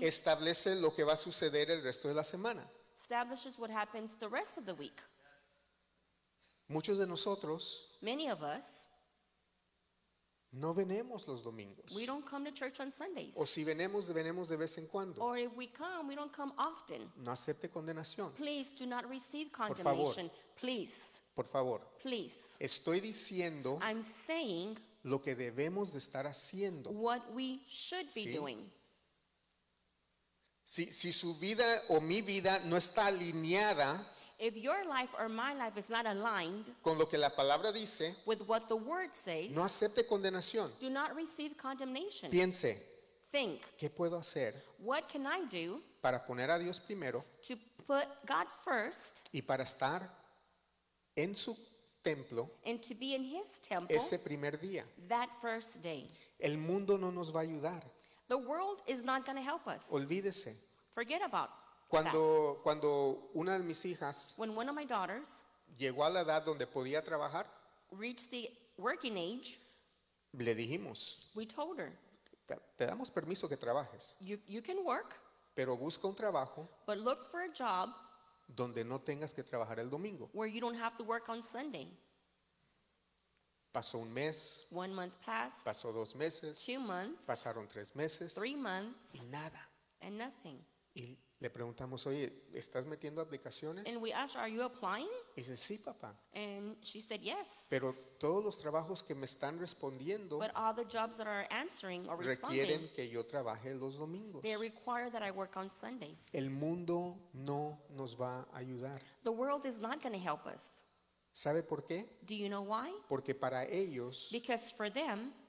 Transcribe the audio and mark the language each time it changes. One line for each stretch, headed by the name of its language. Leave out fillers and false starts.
Spanish: establece lo que va a suceder el resto de la semana.
English: Establishes what happens the rest of the week.
Spanish: Muchos de nosotros,
English: many of us,
Spanish: No venimos los domingos.
English: We don't come to church on Sundays.
Spanish: O si venimos, venimos de vez en cuando.
English: Or if we come, we don't come often.
Spanish: No acepte condenación.
English: Please do not receive condemnation.
Spanish: Por favor.
English: Please.
Spanish: Por favor.
English: Please.
Spanish: Estoy diciendo.
English: I'm saying.
Spanish: Lo que debemos de estar haciendo.
English: What we should be doing.
Spanish: Si su vida o mi vida no está alineada.
English: If your life or my life is not aligned
Spanish: con lo que la palabra dice,
English: with what the word says,
Spanish: no acepte condenación.
English: Do not receive condemnation.
Spanish: Piense,
English: think,
Spanish: ¿qué puedo hacer?
English: What can I do
Spanish: para poner a Dios primero,
English: to put God first,
Spanish: y para estar en su templo,
English: and to be in his temple,
Spanish: ese primer día.
English: That first day.
Spanish: El mundo no nos va a ayudar.
English: The world is not going to help us.
Spanish: Olvídese.
English: Forget about it.
Spanish: Cuando una de mis hijas llegó a la edad donde podía trabajar,
English: reached the working age,
Spanish: le dijimos,
English: we told her,
Spanish: te damos permiso que trabajes,
English: you can work,
Spanish: pero busca un trabajo,
English: but look for a job,
Spanish: donde no tengas que trabajar el domingo,
English: where you don't have to work on Sunday.
Spanish: Pasó un mes,
English: 1 month passed,
Spanish: pasó 2 meses,
English: 2 months,
Spanish: pasaron 3 meses,
English: 3 months,
Spanish: y nada,
English: and nothing.
Spanish: Y le preguntamos, oye, ¿estás metiendo aplicaciones?
English: And we asked her, are you applying?
Spanish: Y dice, sí, papá.
English: And she said, yes.
Spanish: Pero todos los trabajos que me están respondiendo,
English: but all the jobs that are answering or responding,
Spanish: requieren que yo trabaje los domingos.
English: They require that I work on Sundays.
Spanish: El mundo no nos va a ayudar.
English: The world is not going to help us.
Spanish: ¿Sabe por qué?
English: Do you know why?
Spanish: Porque para ellos,
English: because for them,